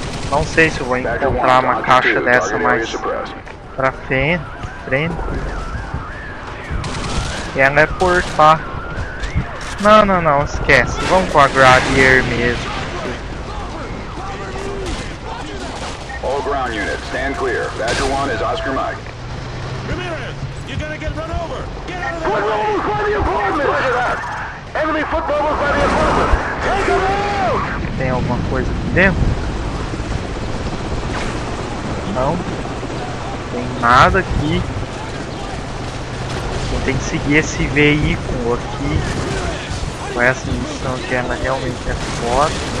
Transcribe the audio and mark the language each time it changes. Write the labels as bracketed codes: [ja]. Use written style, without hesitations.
[pt] Não sei se eu vou encontrar uma caixa dessa mais pra frente. E ela é portar. Não, esquece. Vamos com a Gravier mesmo. [en] All ground units, stand clear. Badger 1 is Oscar Mike. Ramirez, you're gonna get run over! Get out of the way! Football by the apartment! Enemy football by the apartment! Take him out! [pt] Tem alguma coisa aqui dentro? Não tem nada aqui. Eu tenho que seguir esse veículo aqui. Com essa missão aqui, ela realmente é foda.